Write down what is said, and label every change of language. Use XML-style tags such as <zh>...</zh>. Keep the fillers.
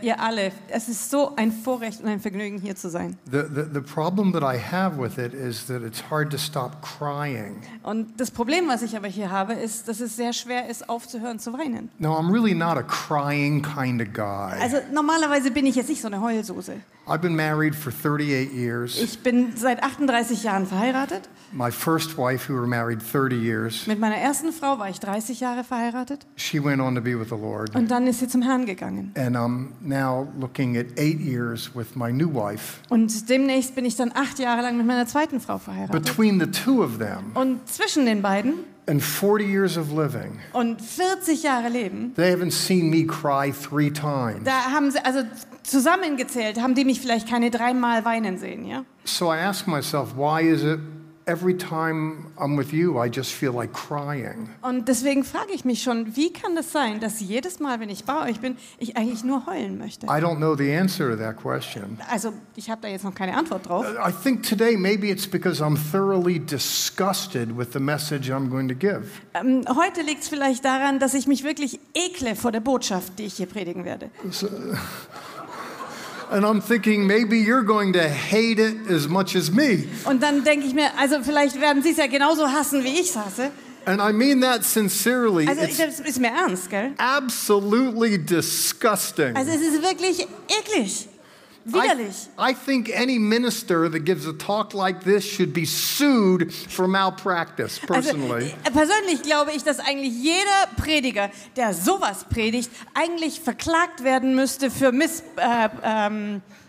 <de>ihr alle, es ist so ein Vorrecht und ein Vergnügen hier zu sein.</de> <en>The, the, the problem that I have with it is that it's hard to stop crying.</en> <de>Und das Problem, was ich aber hier habe, ist, dass es sehr schwer ist, aufzuhören zu weinen.</de> <en>Now I'm really not a crying kind of guy.</en> <de>Also normalerweise bin ich jetzt nicht so eine Heulsoße.</de> <en>I've been married for 38 years.</en> <de>Ich bin seit 38 Jahren verheiratet.</de> <en>My first wife, who were married 30 years, With</en> <de>meiner ersten Frau war ich 30 Jahre verheiratet.</de> <en>She went on to be with the Lord.</en> <de>Und dann ist sie zum Herrn gegangen.</de> <en>And I'm now looking at eight years with my new wife.</en> <de>Und demnächst bin ich dann acht Jahre lang mit meiner zweiten Frau verheiratet.</de> <en>Between the two of them.</en> <de>Und zwischen den beiden.</de> <en>And 40 years of living.</en> <de>Und 40 Jahre leben.</de> <en>They haven't seen me cry three times.</en> <de>Da haben sie also zusammengezählt, haben die mich vielleicht keine dreimal weinen sehen, ja?</de> <en>Yeah? So I ask myself, why is it? You, like</en> <de>Und deswegen frage ich mich schon, wie kann das sein, dass jedes Mal, wenn ich bei euch bin, ich eigentlich nur heulen möchte?</de> <en>I don't know the answer to that question.</en> <de>Also, ich habe da jetzt noch keine Antwort drauf.</de> <en>I think today maybe it's because I'm thoroughly disgusted with the message I'm going to give.</en> <de>Um, heute liegt es vielleicht daran, dass ich mich wirklich ekle vor der Botschaft, die ich hier predigen werde.</de> <en>So, And I'm thinking maybe you're going to hate it as much as me.</en> <de>Und dann denke ich mir, also vielleicht werden Sie es ja genauso hassen wie ich es hasse.</de> <en>And I mean that sincerely. Also it's</en> <de>das ist ernst,</de> <en>Absolutely disgusting. Also</en> <de>es ist widerlich.</de> <en>I, I, think any minister that gives a talk like this should be sued for malpractice personally.</en> <de>Also, persönlich glaube ich, dass eigentlich jeder Prediger, der sowas predigt, eigentlich verklagt werden müsste für miss äh, ähm,</de>